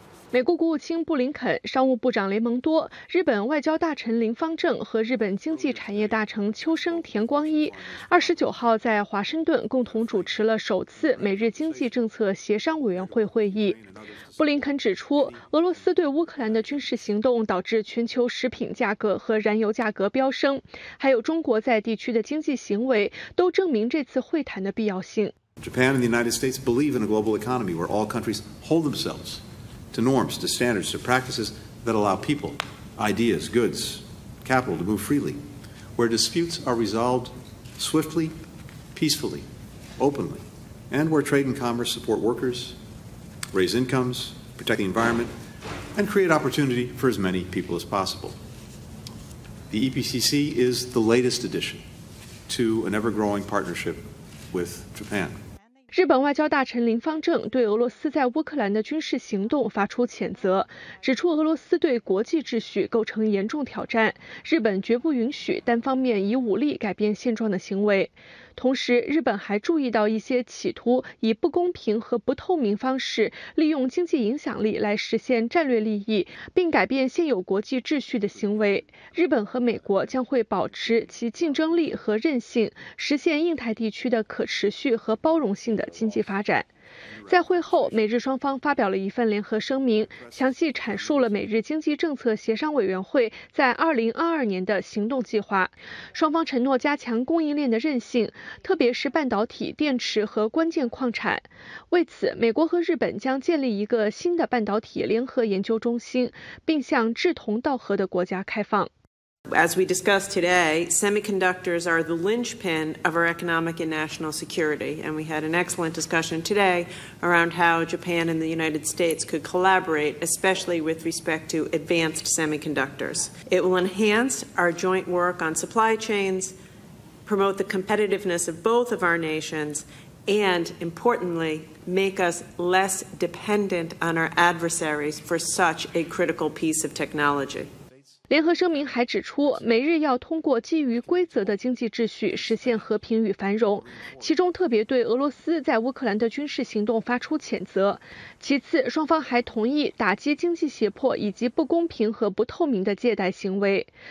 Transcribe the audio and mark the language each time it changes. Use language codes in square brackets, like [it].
[zh] 美国国务卿布林肯、商务部长雷蒙多、日本外交大臣林方正和日本经济产业大臣秋生田光一29号在华盛顿共同主持了首次美日经济政策协商委员会会议。布林肯指出，俄罗斯对乌克兰的军事行动导致全球食品价格和燃油价格飙升，还有中国在地区的经济行为，都证明这次会谈的必要性。 [en] Japan and the United States believe in a global economy where all countries hold themselves. To norms, to standards, to practices that allow people, ideas, goods, capital to move freely, where disputes are resolved swiftly, peacefully, openly, and where trade and commerce support workers, raise incomes, protect the environment, and create opportunity for as many people as possible. The EPCC is the latest addition to an ever-growing partnership with Japan. [zh] 日本外交大臣林方正对俄罗斯在乌克兰的军事行动发出谴责，指出俄罗斯对国际秩序构成严重挑战，日本绝不允许单方面以武力改变现状的行为。同时，日本还注意到一些企图以不公平和不透明方式利用经济影响力来实现战略利益，并改变现有国际秩序的行为。日本和美国将会保持其竞争力和韧性，实现印太地区的可持续和包容性的经济发展。在会后，美日双方发表了一份联合声明，详细阐述了美日经济政策协商委员会在2022年的行动计划。双方承诺加强供应链的韧性，特别是半导体、电池和关键矿产。为此，美国和日本将建立一个新的半导体联合研究中心，并向志同道合的国家开放。 [en] As we discussed today, semiconductors are the linchpin of our economic and national security, and we had an excellent discussion today around how Japan and the United States could collaborate, especially with respect to advanced semiconductors. It will enhance our joint work on supply chains, promote the competitiveness of both of our nations, and importantly, make us less dependent on our adversaries for such a critical piece of technology. [zh] 联合声明还指出，美日要通过基于规则的经济秩序实现和平与繁荣，其中特别对俄罗斯在乌克兰的军事行动发出谴责。其次，双方还同意打击经济胁迫以及不公平和不透明的借贷行为。